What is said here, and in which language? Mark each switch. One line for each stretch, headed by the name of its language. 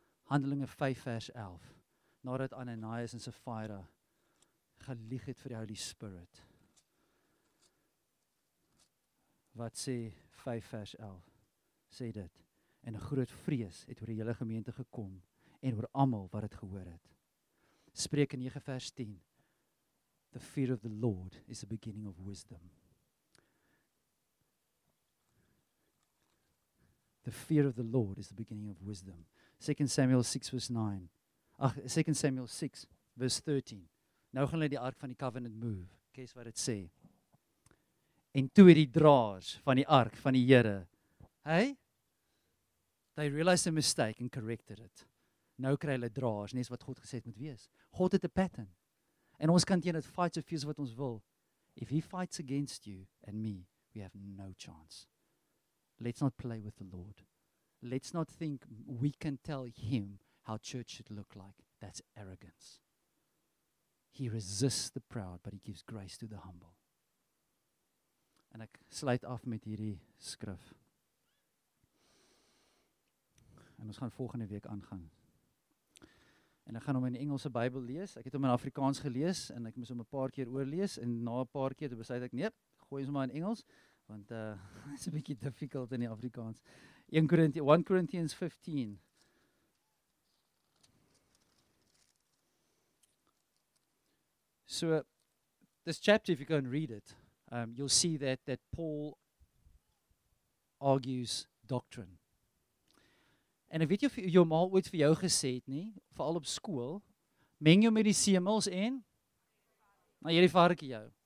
Afrikaans: Handelinge 5 vers 11. Nadat Ananias en Sapphira gelieg het vir die Holy Spirit. Wat sê 5 vers 11? Sê dit. En 'n groot vrees het oor die hele gemeente gekom en oor almal wat het gehoor het. Spreuke 9 vers 10.
English: The fear of the Lord is the beginning of wisdom. The fear of the Lord is the beginning of wisdom. 2 Samuel 6 verse 9. 2 Samuel 6 verse 13.
Afrikaans: Nou gaan hulle die ark van die covenant move. Kies wat dit sê. En toe het die draers van die ark van die Here,
English: they realized a mistake and corrected it.
Afrikaans: Nou kry hulle draers, nes wat God gesê het moet wees. God het 'n pattern. En ons kan teen dit fight so veel wat ons wil.
English: If he fights against you and me, we have no chance. Let's not play with the Lord. Let's not think we can tell him how church should look like. That's arrogance. He resists the proud, but he gives grace to the humble.
Afrikaans: En ek sluit af met hierdie skrif. En ons gaan volgende week aangaan. En ek gaan hom in die Engelse Bybel lees. Ek het hom in Afrikaans gelees en ek moes hom 'n paar keer oorlees en na 'n paar keer het besluit ek nee, gooi hom maar in Engels want is 'n bietjie difficult in die Afrikaans.
English: 1 Corinthians 15. So this chapter if you go and read it, you'll see that Paul argues doctrine.
Afrikaans: En ek weet jy of jou ma ooit vir jou gesê het nie, veral op skool, meng jou met die semels en, nou hierdie varkie jou.